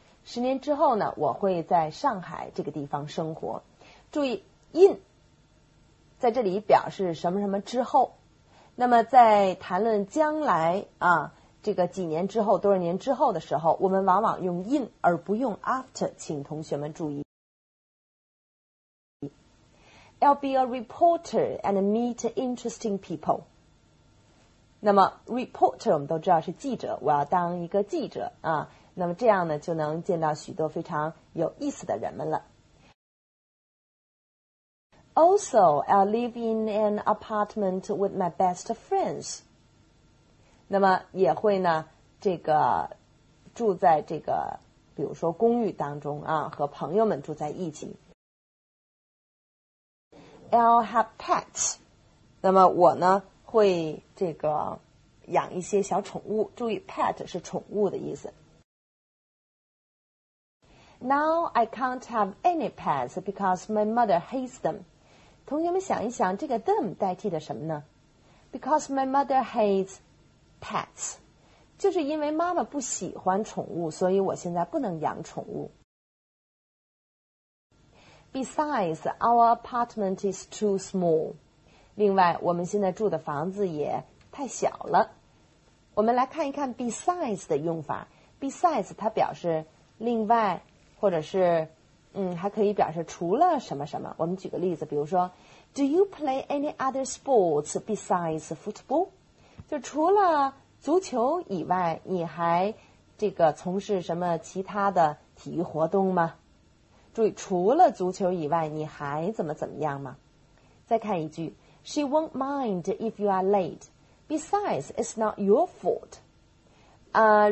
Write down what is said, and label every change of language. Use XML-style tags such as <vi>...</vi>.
<zh>十年之后呢，我会在上海这个地方生活。注意 in 在这里表示什么什么之后，那么在谈论将来啊，这个几年之后多少年之后的时候，我们往往用 in 而不用 after， 请同学们注意。</zh> <en>I'll be a reporter and meet interesting people.</en> <zh>那么 reporter 我们都知道是记者，我要当一个记者啊。那么这样呢，就能见到许多非常有意思的人们了。</zh> <en>Also, I'll live in an apartment with my best friends.</en> <zh>那么也会呢，这个住在这个，比如说公寓当中啊，和朋友们住在一起。</zh> <en>I'll have pets.</en> <zh>那么我呢会这个养一些小宠物。注意 pet 是宠物的意思。</zh> <en>Now I can't have any pets because my mother hates them.</en> <zh>同学们想一想，这个 them 代替的什么呢？</zh> <en>Because my mother hates pets.</en> <zh>就是因为妈妈不喜欢宠物，所以我现在不能养宠物。</zh> <en>Besides, our apartment is too small.</en> <zh>另外，我们现在住的房子也太小了。我们来看一看 besides 的用法。 Besides, 它表示另外，或者是还可以表示除了什么什么。我们举个例子，比如说</zh> <en>Do you play any other sports besides football?</en> <zh>就除了足球以外，你还这个从事什么其他的体育活动吗？注意，除了足球以外，你还怎么怎么样吗？再看一句</zh> <en>She won't mind if you are late. Besides, it's not your fault.</en>